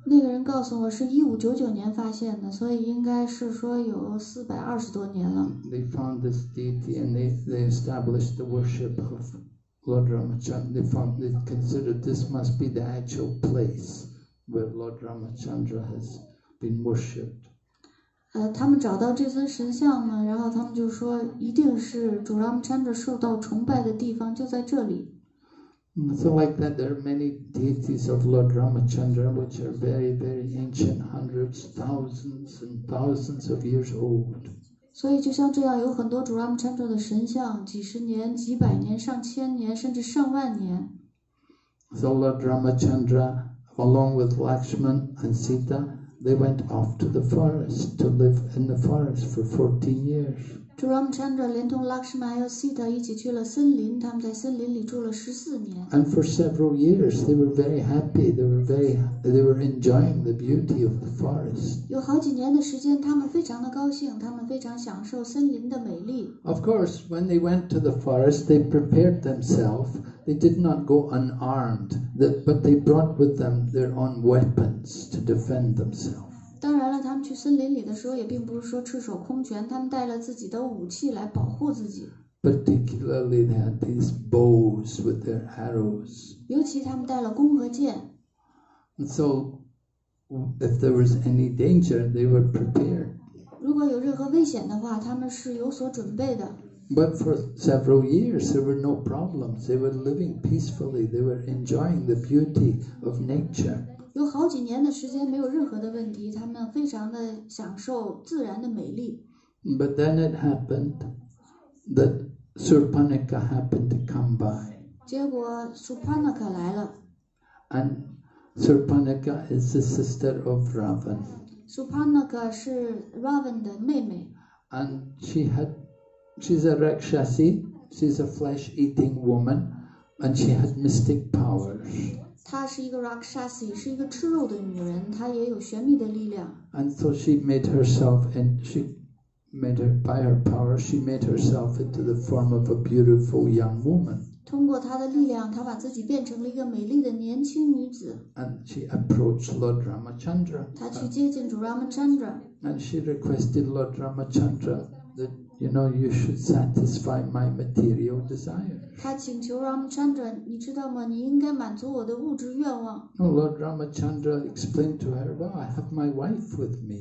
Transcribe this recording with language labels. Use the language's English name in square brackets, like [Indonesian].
[Chinese] 那个人告诉我是1599年发现的，所以应该是说有420多年了。 [English] They found this deity and they established the worship of Lord Ramachandra. They considered this must be the actual place where Lord Ramachandra has been worshipped. [Chinese] 他们找到这尊神像了，然后他们就说一定是主 Ramachandra 受到崇拜的地方就在这里。 [English] So like that, there are many deities of Lord Ramachandra which are very, very ancient, hundreds, thousands, and thousands of years old. [Chinese] 所以就像这样，有很多主 Ramachandra 的神像，几十年、几百年、上千年，甚至上万年。 [English] So Lord Ramachandra, along with Lakshman and Sita, they went off to the forest to live in the forest for 14 years. [Chinese] 主 Ramachandra 连同 Lakshman 还有 Sita 一起去了森林，他们在森林里住了14年。 [English] And for several years, they were very happy. They were enjoying the beauty of the forest. [Chinese] 有好几年的时间，他们非常的高兴，他们非常享受森林的美丽。 [English] Of course, when they went to the forest, they prepared themselves. They did not go unarmed, but they brought with them their own weapons to defend themselves. [Chinese] 当然了，他们去森林里的时候也并不是说赤手空拳，他们带了自己的武器来保护自己。 [English] Particularly they had these bows with their arrows. [Chinese] 尤其他们带了弓和箭。 [English] And so, if there was any danger, they were prepared. [Chinese] 如果有任何危险的话，他们是有所准备的。 [English] But for several years, there were no problems. They were living peacefully. They were enjoying the beauty of nature. [Chinese] 有好几年的时间没有任何的问题，他们非常的享受自然的美丽。 [English] But then it happened that Surpanaka happened to come by. [Chinese] 结果 Surpanaka 来了。 [English] And Surpanaka is the sister of Ravan. [Chinese] Surpanaka 是 Ravan 的妹妹。 [English] And she's a Rakshasi, she's a flesh-eating woman, and she had mystic powers. [Chinese] 她是一个 Rakshasi, 是一个吃肉的女人，她也有玄秘的力量。 [English] And so she made herself, and she made her, by her power, she made herself into the form of a beautiful young woman. [Chinese] 通过她的力量，她把自己变成了一个美丽的年轻女子。 [English] And she approached Lord Ramachandra. [Chinese] 她去接近主 Ramachandra. [English] And she requested Lord Ramachandra that, you know, you should satisfy my material desire. [Chinese] 他请求 Ramachandra, 你知道吗？你应该满足我的物质愿望。 [English] No, Lord Ramachandra explained to her, "Well, I have my wife with me.